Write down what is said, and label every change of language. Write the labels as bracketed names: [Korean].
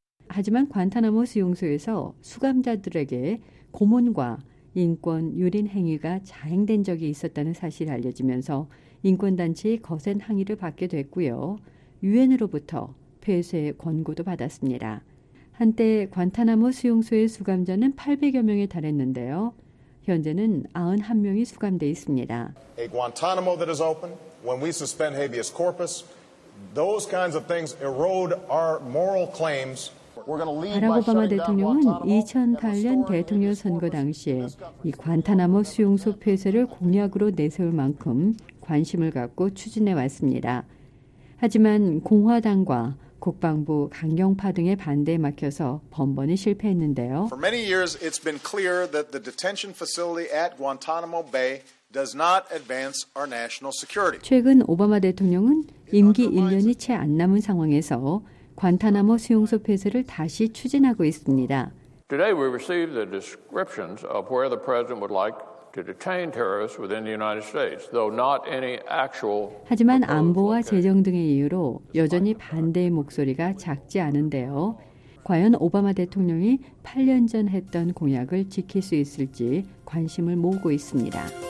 [Korean] 하지만 관타나모 수용소에서 수감자들에게 고문과 인권 유린 행위가 자행된 적이 있었다는 사실이 알려지면서 인권단체의 거센 항의를 받게 됐고요. 유엔으로부터 폐쇄 권고도 받았습니다. 한때 관타나모 수용소의 수감자는 800여 명에 달했는데요. 현재는 91명이 수감돼 있습니다. [English] A Guantanamo that is open, when we suspend habeas corpus, those kinds of things erode our moral claims. [Korean] 바락 오바마 대통령은 2008년 대통령 선거 당시에 이 관타나모 수용소 폐쇄를 공약으로 내세울 만큼 관심을 갖고 추진해 왔습니다. 하지만 공화당과 국방부 강경파 등의 반대에 막혀서 번번이 실패했는데요. [English] For many years it's been clear that the detention facility at Guantanamo Bay does not advance our national security. [Korean] 최근 오바마 대통령은 임기 1년이 채 안 남은 상황에서 관타나모 수용소 폐쇄를 다시 추진하고 있습니다. [English] Today we received the descriptions of where the president would like to detain terrorists within the United States, though not any actual. [Korean] 하지만 안보와 재정 등의 이유로 여전히 반대의 목소리가 작지 않은데요. 과연 오바마 대통령이 8년 전 했던 공약을 지킬 수 있을지 관심을 모으고 있습니다.